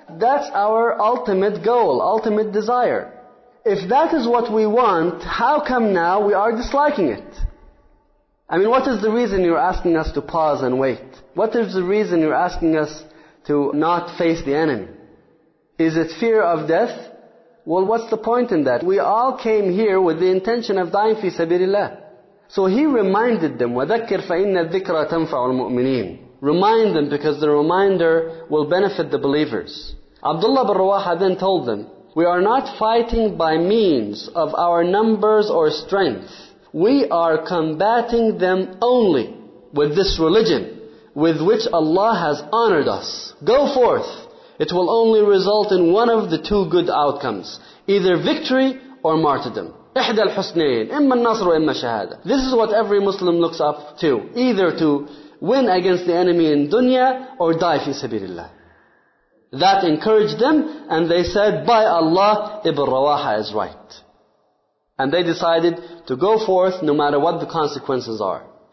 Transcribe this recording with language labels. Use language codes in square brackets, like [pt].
[en] That's our ultimate goal, ultimate desire. If that is what we want, how come now we are disliking it? I mean, what is the reason you're asking us to pause and wait? What is the reason you're asking us to not face the enemy? Is it fear of death? Well, what's the point in that? We all came here with the intention of dying fi sabilillah. So he reminded them, [ar] وَذَكِّرْ فَإِنَّ الذِّكْرَ تَنْفَعُ الْمُؤْمِنِينَ. [en] Remind them, because the reminder will benefit the believers. Abdullah bin Rawaha then told them, "We are not fighting by means of our numbers or strength. We are combating them only with this religion with which Allah has honored us. Go forth. It will only result in one of the two good outcomes, either victory or martyrdom. [ar] إحدى الحسنين إما النصر وإما الشهادة." [en] This is what every Muslim looks up to, either to win against the enemy in dunya or die [ar] في سبيل الله. [en] That encouraged them, and they said, "By Allah, Ibn Rawaha is right." And they decided to go forth no matter what the consequences are.